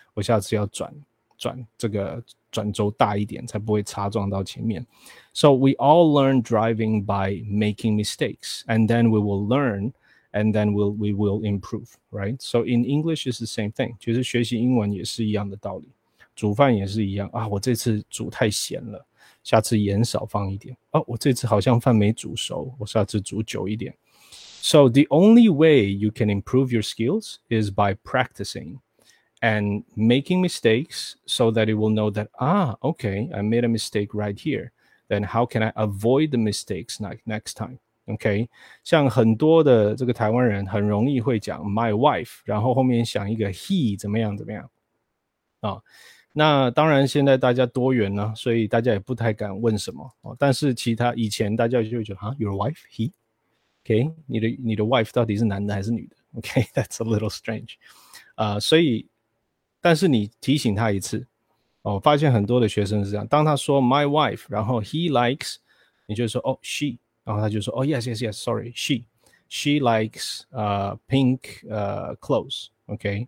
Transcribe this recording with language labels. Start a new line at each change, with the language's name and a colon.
Chinese: 我下次要转轴大一点，才不会擦撞到前面。
English: So we all learn driving by making mistakes, and then we will learn. And then we will improve, right? So in English, it's the same thing.
Chinese: 其实学习英文也是一样的道理。煮饭也是一样啊，我这次煮太咸了，下次盐少放一点。哦，我这次好像饭没煮熟，我下次煮久一点。
English: So the only way you can improve your skills is by practicing and making mistakes so that it will know that, ah, okay, I made a mistake right here. Then how can I avoid the mistakes next time?
Chinese: OK, 像很多的这个台湾人很容易会讲 my wife, 然后后面想一个 he 怎么样怎么样、哦、那当然现在大家多元呢，所以大家也不太敢问什么、哦、但是其他以前大家就会觉得、huh?
English: your wife, he? OK,
Chinese: 你的 wife 到底是男的还是女的
English: OK, that's a little strange、
Chinese: 所以但是你提醒他一次、哦、发现很多的学生是这样，当他说
English: my wife, 然后 he likes,
Chinese: 你就说
English: oh, she,
Chinese: 然后他就说
English: ,oh, yes, yes, yes, sorry, she likes pink clothes, okay?